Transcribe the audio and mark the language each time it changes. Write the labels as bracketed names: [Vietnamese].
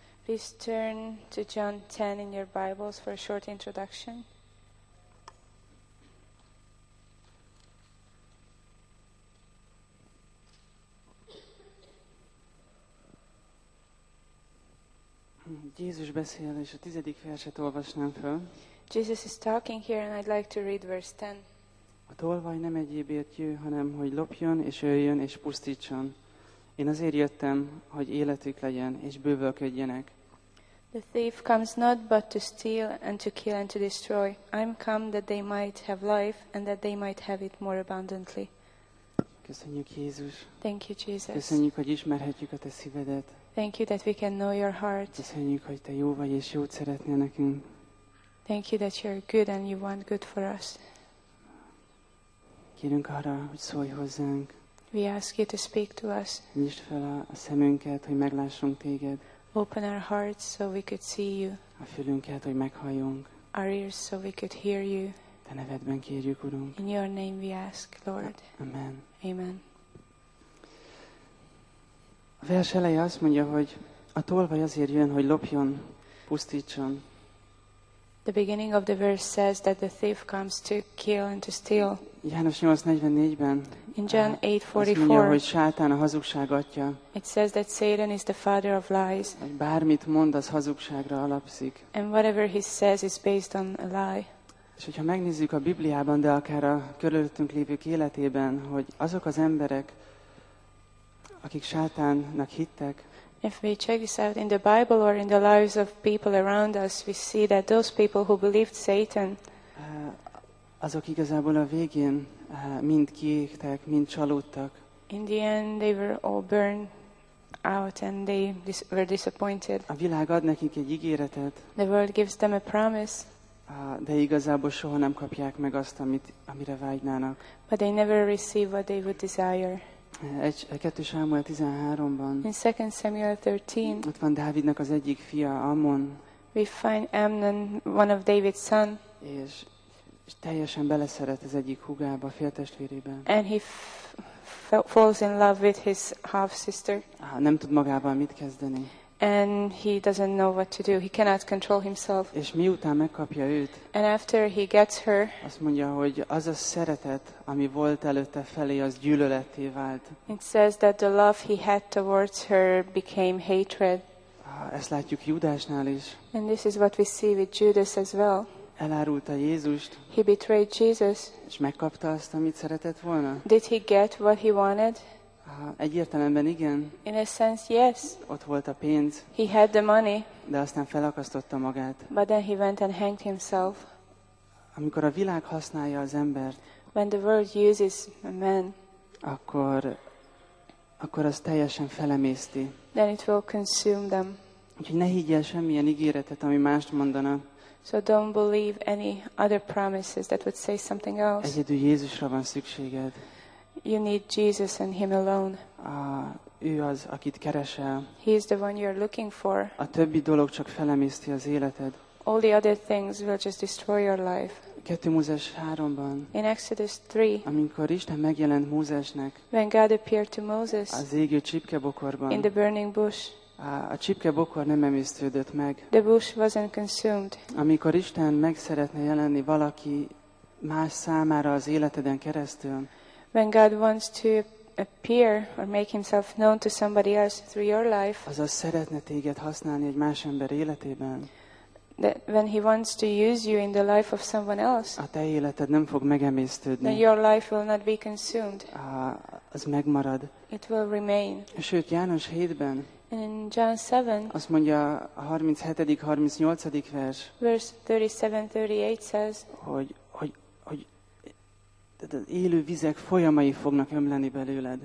[English] Please turn to John 10 in your Bibles for a short introduction. [Hungarian] Jézus beszél, és a tizedik verset olvasnám föl. [English] Jesus is talking here, and I'd like to read verse 10. [Hungarian] A tolvaj nem egyébért jő, hanem hogy lopjon, és öljön, és pusztítson. Én azért jöttem, hogy életük legyen, és bővölködjenek. [English] The thief comes not but to steal, and to kill, and to destroy. I'm come that they might have life, and that they might have it more abundantly. [Hungarian] Köszönjük, Jézus. [English] Thank you, Jesus. [Hungarian] Köszönjük, hogy ismerhetjük a te szívedet. [English] Thank you that we can know your heart. [Hungarian] Köszönjük, hogy te jó vagy és jót szeretnél nekünk. [English] Thank you that you're good and you want good for us. [Hungarian] Kérünk arra, hogy szólj hozzánk. [English] We ask you to speak to us. [Hungarian] Nyisd fel a szemünket, hogy meglássunk téged. [English] Open our hearts so we could see you. [Hungarian] A fülünket, hogy meghalljunk. [English] Our ears so we could hear you. [Hungarian] Te nevedben kérjük, Urunk. [English] In your name we ask, Lord. [Hungarian] Amen. [English] Amen. [Hungarian] A vers eleje azt mondja, hogy a tolvaj azért jön, hogy lopjon, pusztítson. [English] The beginning of the verse says that the thief comes to kill and to steal. [Hungarian] János 8:44-ben. [English] In John 8:44. [Hungarian] Azt mondja, hogy Sátán a hazugság atya. [English] It says that Satan is the father of lies. [Hungarian] Hogy bármit mond, az hazugságra alapszik. [English] And whatever he says is based on a lie. [Hungarian] És hogyha megnézzük a Bibliában, de akár a körülöttünk lévők életében, hogy azok az emberek, akik Sátánnak hittek. [English] If we check this out in the Bible or in the lives of people around us, we see that those people who believed Satan, [Hungarian] azok igazából a végén mind kiégtek, mind csalódtak. [English] In the end, they were all burned out and they were disappointed. [Hungarian] A világ ad nekik egy ígéretet. [English] The world gives them a promise. [Hungarian] De igazából soha nem kapják meg azt, amire vágynának. [English] But they never receive what they would desire. [Hungarian] Egy 2 Sámuel 13-ban. [English] In 2 Samuel 13. [Hungarian] Ott van Dávidnak az egyik fia Amon. [English] We find Amnon, one of David's son. [Hungarian] És teljesen beleszeret az egyik húgába, féltestvérébe. [English] And he falls in love with his half sister. [Hungarian] Nem tud magával mit kezdeni. [English] And he doesn't know what to do. He cannot control himself. [Hungarian] És miután megkapja őt, [English] and after he gets her, [Hungarian] azt mondja, hogy az a szeretet, ami volt előtte felé, az gyűlöletté vált. [English] It says that the love he had towards her became hatred. [Hungarian] Ezt látjuk Judásnál is. [English] And this is what we see with Judas as well. [Hungarian] Elárulta Jézust. [English] He betrayed Jesus. [Hungarian] És megkapta azt, amit szeretett volna. [English] Did he get what he wanted? [Hungarian] Egyértelműen igen. [English] In a sense, yes. [Hungarian] Ott volt a pénz. [English] He had the money. [Hungarian] De aztán felakasztotta magát. [English] But then he went and hanged himself. [Hungarian] Amikor a világ használja az embert, [English] when the world uses a man, [Hungarian] akkor az teljesen felemészti. [English] Then it will consume them. [Hungarian] Úgyhogy ne higgy el semmilyen ígéretet, ami mást mondana. [English] So don't believe any other promises that would say something else. [Hungarian] Egyedül Jézusra van szükséged. [English] You need Jesus and Him alone. [Hungarian] Ő az, akit keresel. [English] He is the one you're looking for. [Hungarian] A többi dolog csak felemészti az életed. [English] All the other things will just destroy your life. [Hungarian] 2 Mózes 3-ban. [English] In Exodus 3. [Hungarian] Amikor Isten megjelent Mózesnek. [English] When God appeared to Moses. [Hungarian] Az égő csipkebokorban. [English] In the burning bush. [Hungarian] A csipkebokor nem emésztődött meg. [English] The bush wasn't consumed. [Hungarian] Amikor Isten meg szeretne jelenni valaki más számára az életeden keresztül. [English] When God wants to appear or make himself known to somebody else through your life, [Hungarian] azaz szeretne téged használni egy más ember életében, [English] that when he wants to use you in the life of someone else, [Hungarian] a te életed nem fog megemésztődni, [English] then your life will not be consumed. [Hungarian] Az megmarad. [English] It will remain. [Hungarian] Sőt, János 7-ben, [English] in John 7, [Hungarian] azt mondja a 37. 38. vers, [English] verse 37-38 says, [Hungarian] hogy élő vizek folyamai fognak ömleni belőled.